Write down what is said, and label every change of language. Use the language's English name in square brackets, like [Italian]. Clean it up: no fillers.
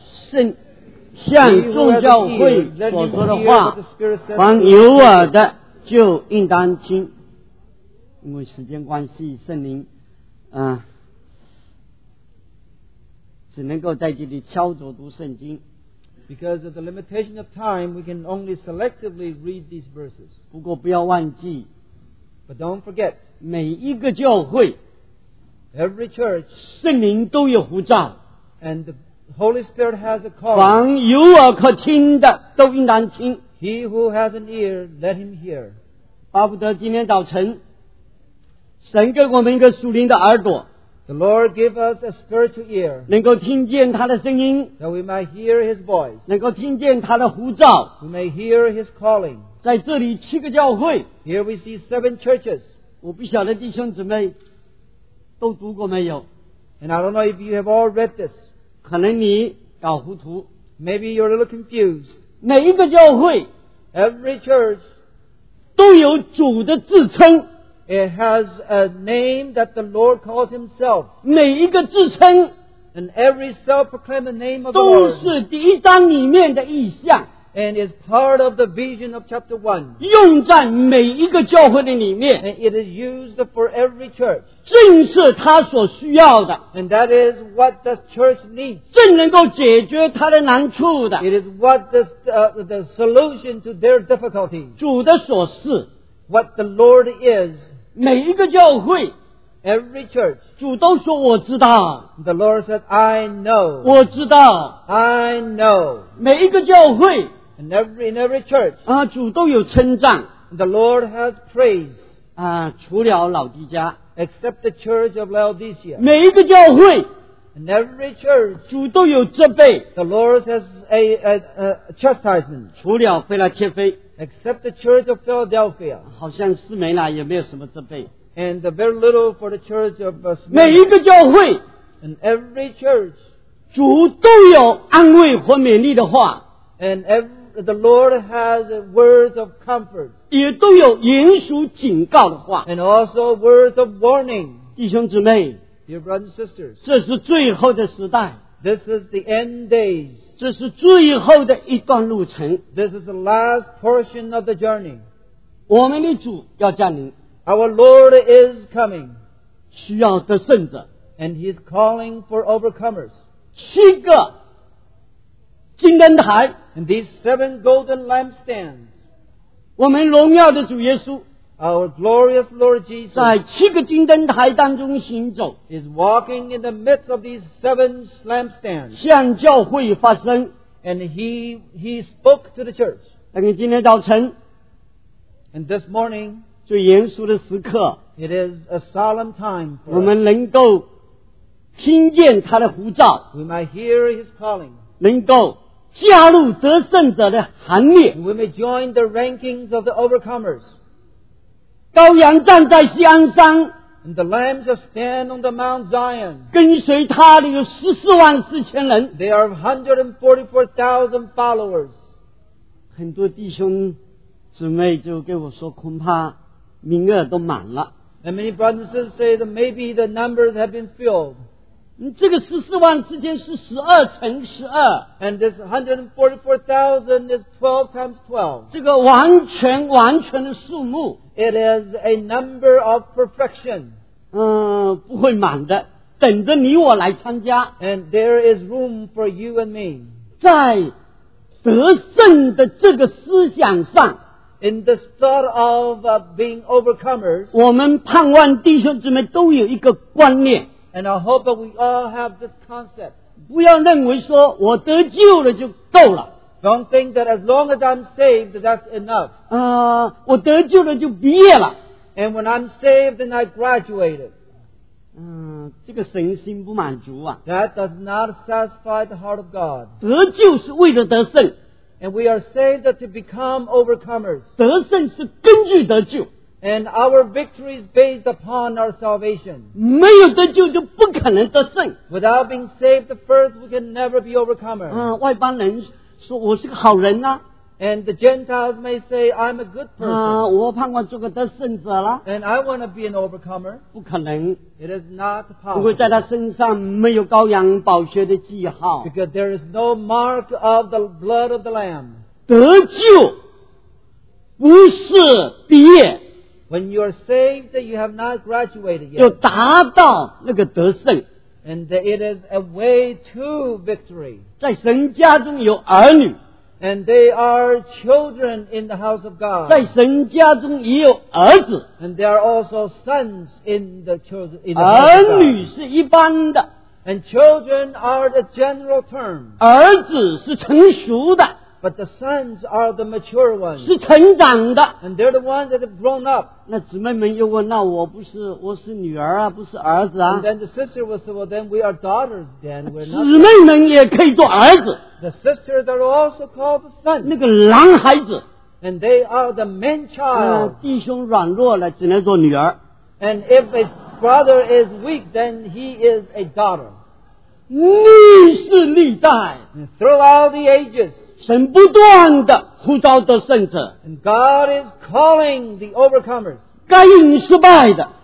[Chinese] 圣像众教会所说的话，凡有耳的就应当听。因为时间关系，圣灵，只能够在这里敲着读圣经。 [English] Because of the limitation of time, we can only selectively read these verses. [Chinese] 不过不要忘记， [English] But don't forget, [Chinese] 每一个教会， [English] Every church, [Chinese] 圣灵都有呼召， [English] And the Holy Spirit has a call. [Chinese] 凡有耳可听的都应当听。 [English] He who has an ear, let him hear. [Chinese] 巴不得今天早晨，神给我们一个属灵的耳朵。 [English] The Lord give us a spiritual ear, [Chinese] 能够听见他的声音， [English] that we might hear his voice, [Chinese] 能够听见他的呼召， [English] we may hear his calling. [Chinese] 在这里七个教会， [English] here we see seven churches. [Chinese] 我不晓得弟兄姊妹都读过没有， [English] and I don't know if you have all read this. [Chinese] 可能你搞糊涂， [English] maybe you're a little confused. [Chinese] 每一个教会， [English] every church, [Chinese] 都有主的自称。 [English] It has a name that the Lord calls himself. [Chinese] 每一个自称， [English] and every self-proclaimed name of the Lord, [Chinese] 都是第一章里面的意象， [English] and is part of the vision of chapter 1. [Chinese] 用在每一个教会的里面， [English] and it is used for every church. [Chinese] 正是他所需要的， [English] and that is what the church needs. [Chinese] 正能够解决他的难处的， [English] it is what the solution to their difficulty. [Chinese] 主的所示， [English] what the Lord is. [Chinese] 每一个教会， [English] Every church, [Chinese] 主都说我知道。 [English] The Lord said, I know. [Chinese] 我知道。 [English] I know. [Chinese] 每一个教会， [English] in every church, [Chinese] 主都有称赞。 [English] The Lord has praise. [Chinese] 除了老底家， [English] except the church of Laodicea. [Chinese] 每一个教会， [English] in every church, [Chinese] 主都有责备。 [English] The Lord has a chastisement. [Chinese] 除了腓拉切菲， [English] except the church of Philadelphia. [Chinese] 好像斯梅拿也没有什么责备。 [English] And very little for the church of Smyrna. [Chinese] 每一个教会， [English] and every church, [Chinese] 主都有安慰或勉励的话， [English] and the Lord has words of comfort, [Chinese] 也都有严肃警告的话， [English] and also words of warning. [Chinese] 弟兄姊妹， [English] dear brothers and sisters, [Chinese] 这是最后的时代， [English] this is the end days. [Chinese] 这是最后的一段路程。 [English] This is the last portion of the journey. [Chinese] 我们的主要降临。 [English] Our Lord is coming. [Chinese] 需要得胜者。 [English] And he is calling for overcomers. [Chinese] 七个金灯台。 [English] And these seven golden lampstands. [Chinese] 我们荣耀的主耶稣。 [English] Our glorious Lord Jesus. [Chinese] 在七个金灯台当中行走。 [English] Is walking in the midst of these seven lampstands. [Chinese] 向教会发声。 [English] And he spoke to the church. [Chinese] 但是今天早晨， [English] And this morning, [Chinese] 最严肃的时刻， [English] it is a solemn time for us. [Chinese] 我们能够听见他的呼召， [English] we might hear his calling. [Chinese] 能够加入得胜者的行列， [English] we may join the rankings of the overcomers. [Chinese] 羔羊站在锡安山， [English] And the lambs stand on the Mount Zion. [Chinese] 跟随他的有十四万四千人。 [English] There are 144,000 followers. [Chinese] 很多弟兄姊妹就跟我说，恐怕名额都满了。 [English] And many brothers and sisters say that maybe the numbers have been filled. [Chinese] 这个十四万四千是十二乘十二。 [English] And this 144,000 is 12 times 12. [Chinese] 这个完全完全的数目。 [English] It is a number of perfection. [Chinese] 不会满的，等着你我来参加。 [English] And there is room for you and me. [Chinese] 在得胜的这个思想上， [English] In the thought of being overcomers, [Chinese] 我们盼望弟兄姊妹都有一个观念。 [English] And I hope that we all have this concept. [Chinese] 不要认为说我得救了就够了。 [English] Don't think that as long as I'm saved, that's enough. [Chinese] 我得救了就毕业了。 [English] And when I'm saved, then I graduated. [Chinese] 这个神心不满足啊。 [English] That does not satisfy the heart of God. [Chinese] 得救是为了得胜。 [English] And we are saved to become overcomers. [Chinese] 得胜是根据得救。 [English] And our victory is based upon our salvation. [Chinese] 没有得救就不可能得胜。 [English] Without being saved first, we can never be overcomers. [Chinese] 外邦人说我是个好人啊。 [English] And the Gentiles may say, I'm a good person. [Chinese] 我盼望做个得胜者了。 [English] And I want to be an overcomer. [Chinese] 不可能。 [English] It is not possible. [Chinese] 不会在他身上没有羔羊宝血的记号。 [English] Because there is no mark of the blood of the Lamb. [Chinese] 得救不是毕业。 [English] When you are saved, you have not graduated yet. [Chinese] 就达到那个得胜。 [English] And it is a way to victory. [Chinese] 在神家中有儿女。 [English] And they are children in the house of God. [Chinese] 在神家中也有儿子。 [English] And there are also sons in the children in the house of God. [Chinese] 儿女是一般的。 [English] And children are the general term. [Chinese] 儿子是成熟的。 [English] But the sons are the mature ones. [Chinese] 是成长的。 [English] And they're the ones that have grown up. [Chinese] 那姊妹们又问，那我是女儿啊，不是儿子啊。 [English] And then the sister will say, well, then we are daughters then. [Chinese] 姊妹们也可以做儿子。 [English] The sisters are also called the sons. [Chinese] 那个男孩子。 [English] And they are the man child. [Chinese] 弟兄软弱了，只能做女儿。 [English] And if a brother is weak, then he is a daughter. [Chinese] 历世历代。 [English] Throughout the ages. [Chinese] 神不断地呼召得胜者。 [English] And God is calling the overcomers. [Chinese] 该隐失败的。